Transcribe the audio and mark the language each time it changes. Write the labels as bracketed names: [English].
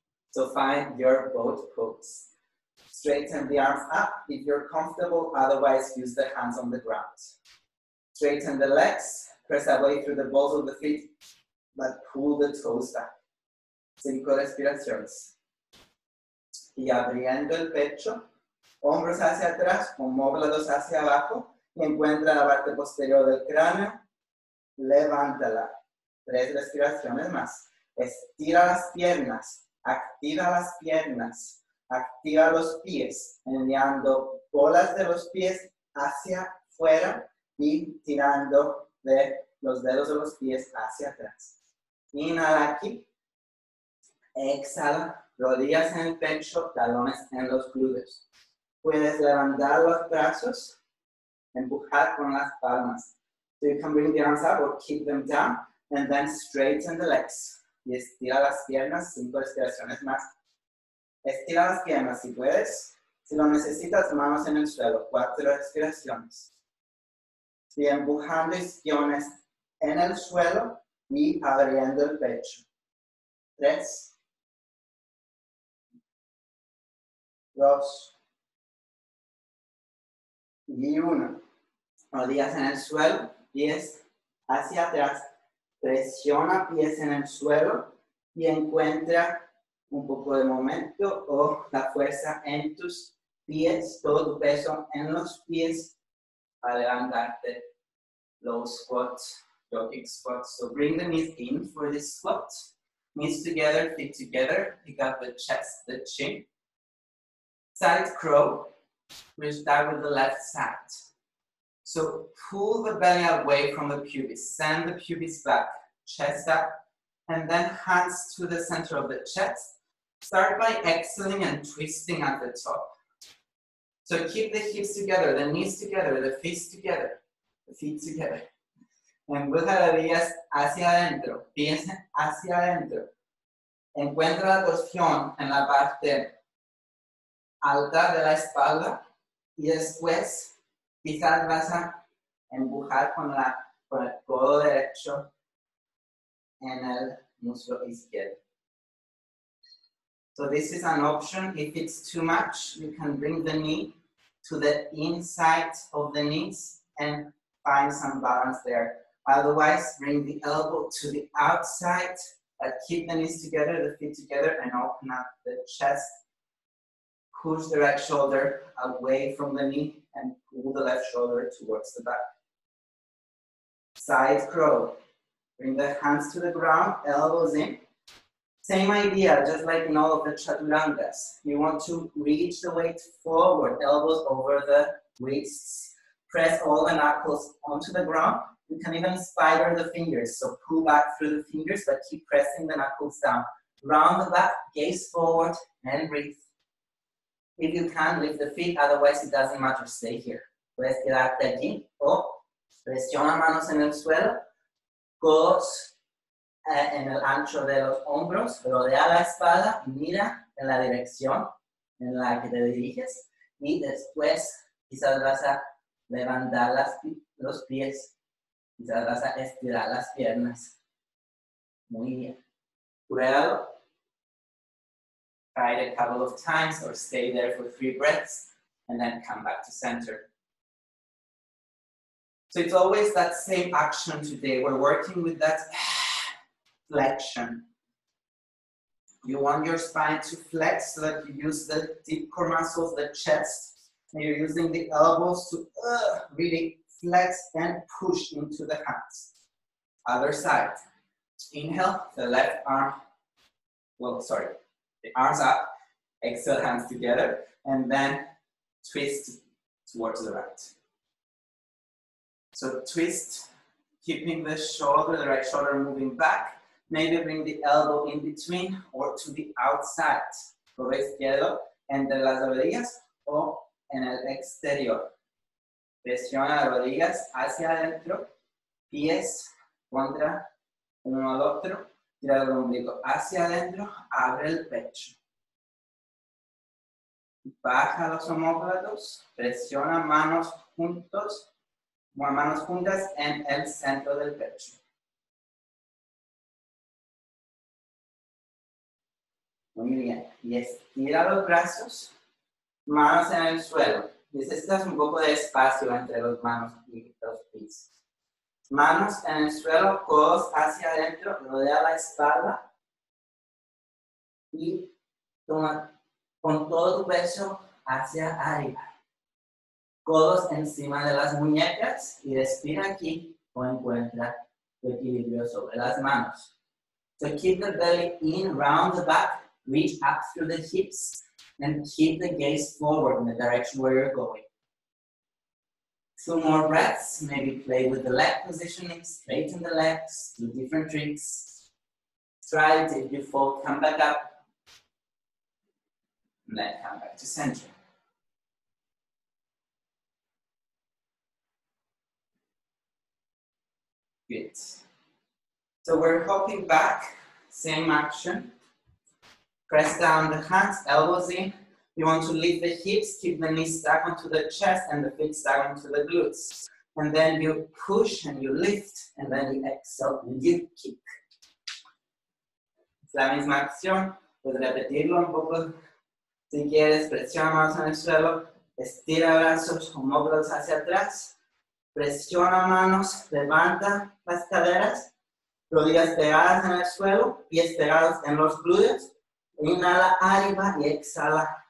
[English] So find your boat pose. Straighten the arms up if you're comfortable, otherwise use the hands on the ground. Straighten the legs, press away through the balls of the feet, but pull the toes back. [Spanish] Cinco respiraciones. Y abriendo el pecho, hombros hacia atrás, omóplatos hacia abajo, y encuentra la parte posterior del cráneo, levántala. Tres respiraciones más. Estira las piernas, activa las piernas, activa los pies, enviando bolas de los pies hacia afuera y tirando de los dedos de los pies hacia atrás. Inhala aquí. Exhala, rodillas en el pecho, talones en los glúteos. Puedes levantar los brazos, empujar con las palmas. [English] So you can bring the arms up or keep them down, and then straighten the legs. [Spanish] Y estira las piernas, cinco respiraciones más. Estira las piernas si puedes. Si lo necesitas, manos en el suelo, cuatro respiraciones. Y empujando isquiones en el suelo y abriendo el pecho. Tres. Dos. Y uno. Rodillas en el suelo, pies hacia atrás. Presiona pies en el suelo y encuentra un poco de momento o la fuerza en tus pies, todo tu peso en los pies para levantarte. [English] Low squat, yogic squat. So bring the knees in for this squat. Knees together, feet together. Pick up the chest, the chin. Side crow, we start with the left side. So pull the belly away from the pubis, send the pubis back, chest up, and then hands to the center of the chest. Start by exhaling and twisting at the top. So keep the hips together, the knees together, the feet together, the feet together. [Spanish] Empuja las rodillas hacia adentro, pies hacia adentro. Encuentra la torsión en la parte alta de la espalda y después quizás vas a empujar con el codo derecho en el muslo izquierdo. [English] So this is an option. If it's too much, you can bring the knee to the inside of the knees and find some balance there. Otherwise, bring the elbow to the outside, but keep the knees together, the feet together, and open up the chest. Push the right shoulder away from the knee and pull the left shoulder towards the back. Side crow. Bring the hands to the ground, elbows in. Same idea, just like in all of the chaturangas. You want to reach the weight forward, elbows over the wrists. Press all the knuckles onto the ground. You can even spider the fingers. So pull back through the fingers, but keep pressing the knuckles down. Round the back, gaze forward, and breathe. If you can, lift the feet, otherwise it doesn't matter, stay here. [Spanish] Puedes quedarte aquí, o presiona manos en el suelo, codos en el ancho de los hombros, rodea la espalda, mira en la dirección en la que te diriges, y después quizás vas a levantar los pies, quizás vas a estirar las piernas. Muy bien. Pruébalo. [English] Try it a couple of times or stay there for three breaths and then come back to center. So it's always that same action today. We're working with that flexion. You want your spine to flex so that you use the deep core muscles, the chest, and you're using the elbows to really flex and push into the hands. Other side. Inhale, the left arm. Well, sorry. Arms up, exhale, hands together, and then twist towards the right. So twist, keeping the shoulder, the right shoulder moving back. Maybe bring the elbow in between or to the outside. [Spanish] Por el izquierdo, entre las rodillas o en el exterior. Presiona las rodillas hacia adentro, pies contra uno al otro. Y Tira el ombligo hacia adentro, abre el pecho. Baja los homóplatos, presiona manos juntos, manos juntas en el centro del pecho. Muy bien. Y estira los brazos, manos en el suelo. Necesitas un poco de espacio entre las manos y los pies. Manos en el suelo, codos hacia adentro, rodea la espalda y toma con todo tu peso hacia arriba. Codos encima de las muñecas y respira aquí o encuentra tu equilibrio sobre las manos. [English] So keep the belly in, round the back, reach up through the hips and keep the gaze forward in the direction where you're going. Two more breaths, maybe play with the leg positioning, straighten the legs, do different tricks. Try it, if you fall, come back up. And then come back to center. Good. So we're hopping back, same action. Press down the hands, elbows in. You want to lift the hips, keep the knees stuck onto the chest and the feet stuck onto the glutes. And then you push and you lift, and then you exhale and you kick. [Spanish] Es la misma acción, puedes repetirlo un poco. Si quieres, presiona manos en el suelo, estira brazos, homóplatos hacia atrás, presiona manos, levanta las caderas, rodillas pegadas en el suelo, pies pegados en los glúteos, inhala arriba y exhala.